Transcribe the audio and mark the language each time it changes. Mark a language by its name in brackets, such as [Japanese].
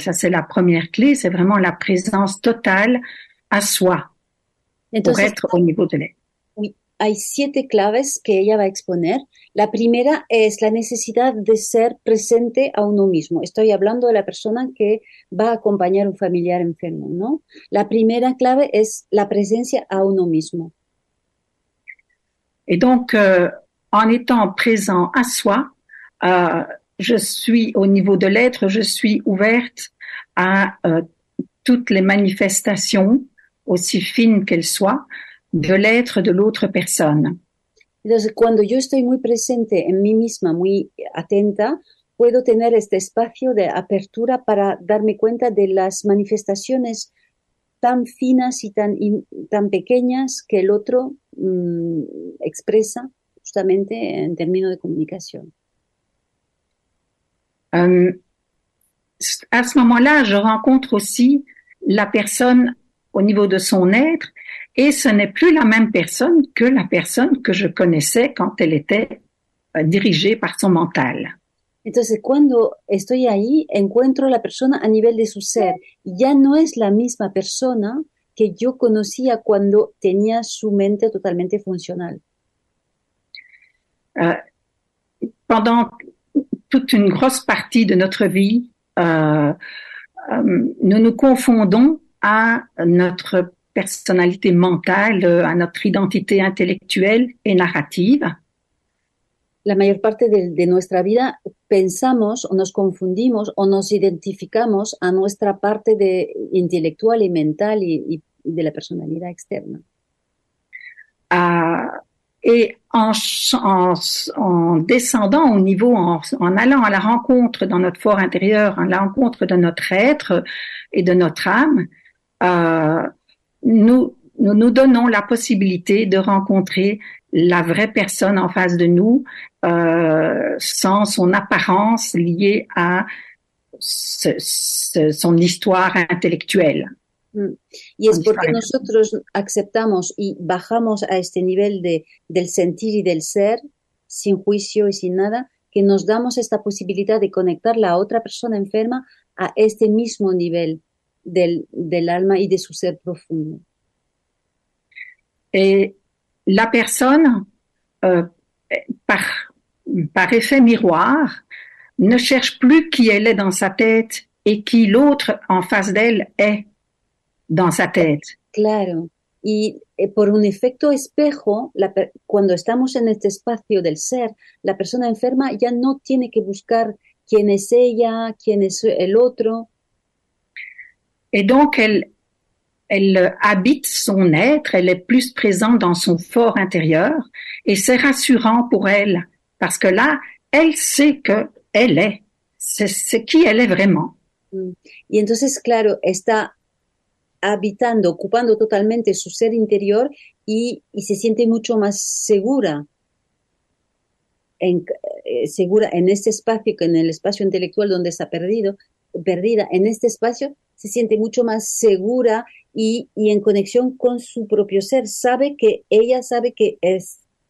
[French] Ça, c'est la première clé, c'est vraiment la présence totale à soi pour être au niveau de l'être. [Spanish] Oui, hay siete claves que ella va a exponer. La primera es la necesidad de ser presente a uno mismo. Estoy hablando de la persona que va a acompañar a un familiar enfermo, ¿no? La primera clave es la presencia a uno mismo. [French] Et donc, en étant présent à soi, je suis au niveau de l'être, je suis ouverte à toutes les manifestations, aussi fines qu'elles soient, de l'être de l'autre personne. [Spanish] Entonces, cuando yo estoy muy presente en mí misma, muy atenta, puedo tener este espacio de apertura para darme cuenta de las manifestaciones tan finas y tan pequeñas que el otro expresa justamente en términos de comunicación. [French] À ce moment-là, je rencontre aussi la personne au niveau de son être, et ce n'est plus la même personne que la personne que je connaissais quand elle était dirigée par son mental. [Spanish] Entonces, cuando estoy ahí, encuentro la persona a nivel de su ser. Ya no es la misma persona que yo conocía cuando tenía su mente totalmente funcional. [French] Pendant toute une grosse partie de notre vie, nous nous confondons à notre personnalité mentale, à notre identité intellectuelle et narrative. [Spanish] La mayor parte de nuestra vida pensamos o nos confundimos o nos identificamos a nuestra parte de intelectual y mental y de la personalidad externa. [French] Et en descendant au niveau, en allant à la rencontre dans notre fort intérieur, à la rencontre de notre être et de notre âme, nous donnons la possibilité de rencontrer la vraie personne en face de nous, sans son apparence liée à son histoire intellectuelle. [Spanish] Y es porque nosotros aceptamos y bajamos a este nivel del sentir y del ser, sin juicio y sin nada, que nos damos esta posibilidad de conectar la otra persona enferma a este mismo nivel del alma y de su ser profundo. [French] Et la persona, par effet miroir, ne cherche plus qui elle est dans sa tête et qui l'autre en face d'elle est. Dans sa tête. [Spanish] Claro, y por un efecto espejo, cuando estamos en este espacio del ser, la persona enferma ya no tiene que buscar quién es ella, quién es el otro. [French] Et donc elle habite son être, elle est plus présente dans son fort intérieur, et c'est rassurant pour elle, parce que là, elle sait que elle est, c'est qui elle est vraiment. [Spanish] Y entonces, claro, está habitando, ocupando totalmente su ser interior y se siente mucho más segura en este espacio que en el espacio intelectual donde está perdida, en este espacio se siente mucho más segura y en conexión con su propio ser, sabe que ella sabe que es.